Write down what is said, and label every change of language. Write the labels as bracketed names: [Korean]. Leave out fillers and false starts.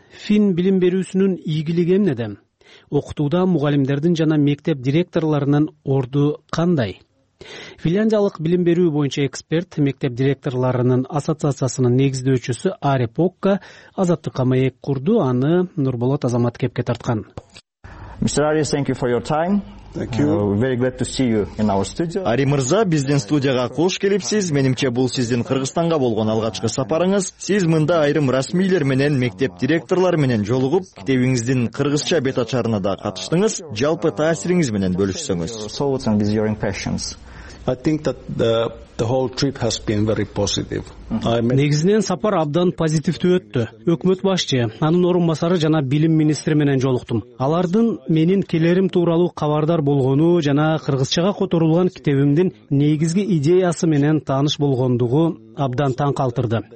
[Kyrgyz] Фин билим берүүсүнүн ийгилиги эмнеде? Окутууда мугалимдердин жана мектеп директорлорунун орду кандай? Финляндиялык билим берүү боюнча эксперт, мектеп директорлорунун ассоциациясынын негиздөөчүсү Ари Покка Азаттыкка маек курду, аны Нурболот Азамат кепке тарткан. [English] Mr. Ari, thank you for your time. Thank you. Very glad to see you in our studio. [Kyrgyz] Ари мырза, биздин студияга кош келипсиз. Менимче бул сиздин Кыргызстанга болгон алгачкы сапарыңыз. Сиз мында айрым расмийлер менен мектеп директорлор менен жолугуп, китебиңиздин кыргызча бет ачарына да катыштыңыз. Жалпы таасириңиз менен бөлүшсөңүз. [English] So what's on your impressions? I think that the whole trip has been very positive. [Kyrgyz] Негизинен сапар абдан позитивдүү өттү. Өкмөт башчы, анын орун басары жана билим министри менен жолуктум. Алардын менин келерим тууралуу кабардар болгону жана кыргызчага которулган китебимдин негизги идеясы менен тааныш болгондугу абдан таң калтырды.